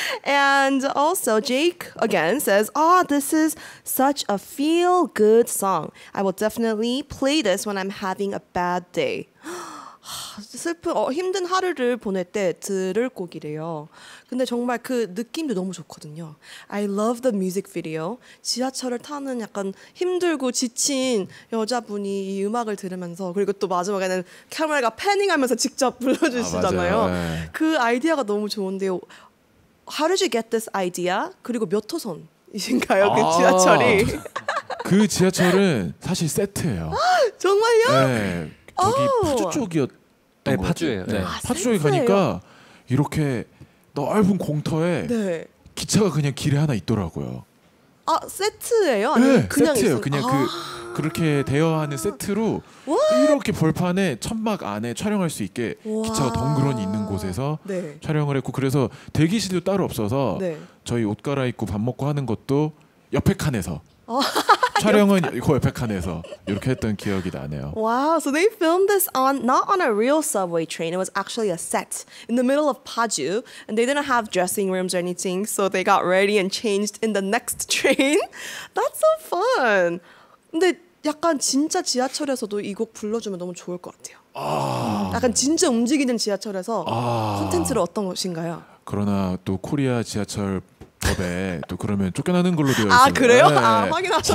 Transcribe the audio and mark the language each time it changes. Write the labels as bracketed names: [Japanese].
[English] And also Jake again says, oh, this is such a feel-good song. I will definitely play this when I'm having a bad day. [Korean] 슬픈 힘든 하루를 보낼 때 들을 곡이래요. 근데 정말 그 느낌도 너무 좋거든요. [English] I love the music video. [Korean] 지하철을 타는 약간 힘들고 지친 여자분이 이 음악을 들으면서 그리고 또 마지막에는 카메라가 패닝하면서 직접 불러주시잖아요. 아, 네. 그 아이디어가 너무 좋은데요. [English] How did you get this idea? [Korean] 그리고 몇 호선이신가요? 아, 그 지하철이. 그 지하철은 사실 세트예요. 아, 정말요? 네. 저기 파주 쪽이었던 네, 파주예요. 네. 파주 쪽에 가니까 이렇게 넓은 공터에 네. 기차가 그냥 길에 하나 있더라고요. 아 세트예요? 아니면 네, 그냥 세트예요. 있어요? 그냥 아~ 그 그렇게 대여하는 세트로 [English] What? [Korean] 이렇게 벌판에 천막 안에 촬영할 수 있게 기차가 덩그러니 있는 곳에서 네. 촬영을 했고 그래서 대기실도 따로 없어서 네. 저희 옷 갈아입고 밥 먹고 하는 것도 옆에 칸에서. 촬영은 그 옆에 칸에서 이렇게 했던 기억이 나네요. [English] Wow, so they filmed this on not on a real subway train. It was actually a set in the middle of Paju, and they didn't have dressing rooms or anything. So they got ready and changed in the next train. That's so fun. [Korean] 근데 약간 진짜 지하철에서도 이 곡 불러주면 너무 좋을 것 같아요. 아, 약간 진짜 움직이는 지하철에서 콘텐츠를 어떤 것인가요? 그러나 또 코리아 지하철 법에 또 그러면 쫓겨나는 걸로 되어 있어요. 아 그래요? 네. 아 확인하셨군요.